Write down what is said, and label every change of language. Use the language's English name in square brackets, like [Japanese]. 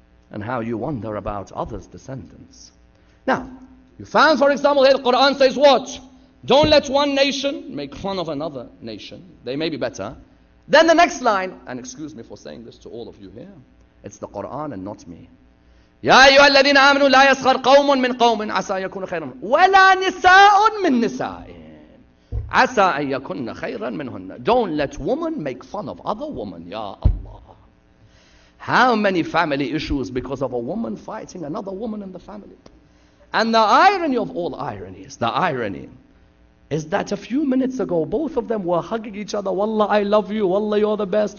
[English] And how you wonder about others' descendants. Now, you found, for example, here the Quran says what? Don't let one nation make fun of another nation. They may be better. Then the next line, and excuse me for saying this to all of you here, it's the Quran and not me. [Arabic] يا أيها الذين آمنوا لا يسخر قوم من قوم عسى أن يكون خيرا ولا نساء من نساء عسى أن يكون خيرا منهن. [English] Don't let women make fun of other women. [Arabic] يا الله. [English] How many family issues because of a woman fighting another woman in the family? And the irony of all ironies, the irony is that a few minutes ago both of them were hugging each other. Wallah, I love you. Wallah, you're the best.